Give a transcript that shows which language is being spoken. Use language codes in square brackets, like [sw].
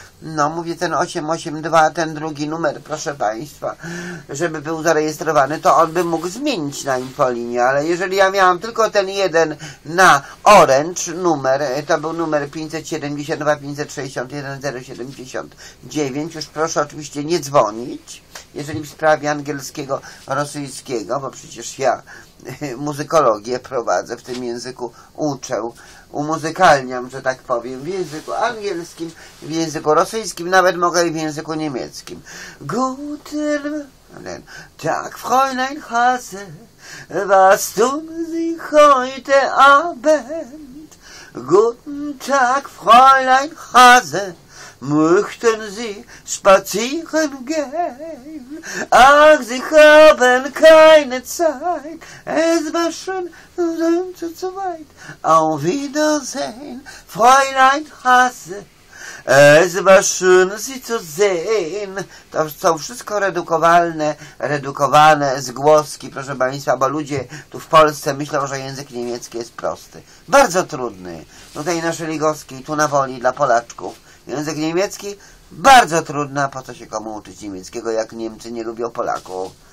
[pl] No mówię, ten 882, ten drugi numer, proszę Państwa, żeby był zarejestrowany, to on by mógł zmienić na infolinię, ale jeżeli ja miałam tylko ten jeden na Orange numer, to był numer 572 561 079, już proszę oczywiście nie dzwonić, jeżeli w sprawie angielskiego, rosyjskiego, bo przecież ja muzykologię prowadzę, w tym języku uczę, umuzykalniam, że tak powiem, w języku angielskim, w języku rosyjskim, nawet mogę i w języku niemieckim. [de] Guten Tag, Fräulein Hase, was tun Sie heute Abend? Guten Tag, Fräulein Hase, möchten Sie spazieren gehen? Ach, Sie haben keine Zeit, es war schon zu weit. Auf Wiedersehen, Fräulein Hase. Es war schön, Sie zu sehen. [pl] To są wszystko redukowalne, redukowane z głoski, proszę Państwa, bo ludzie tu w Polsce myślą, że język niemiecki jest prosty. Bardzo trudny. Tutaj na Szeligowskiej, tu na Woli, dla Polaczków. Język niemiecki bardzo trudny, a po co się komu uczyć niemieckiego, jak Niemcy nie lubią Polaków?